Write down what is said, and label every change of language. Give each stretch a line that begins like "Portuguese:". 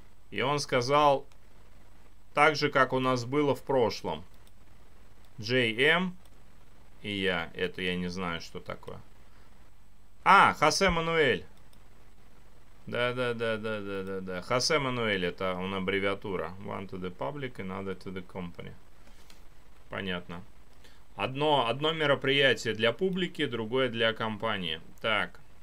Russian: И он сказал, так же, как у нас было в прошлом. JM и я. Это я не знаю, что такое. А, Хосе Мануэль. Да. Хосе Мануэль, это он аббревиатура.
English: One to the public, another to the company.
Russian: Понятно. Одно мероприятие для публики, другое для компании. Так.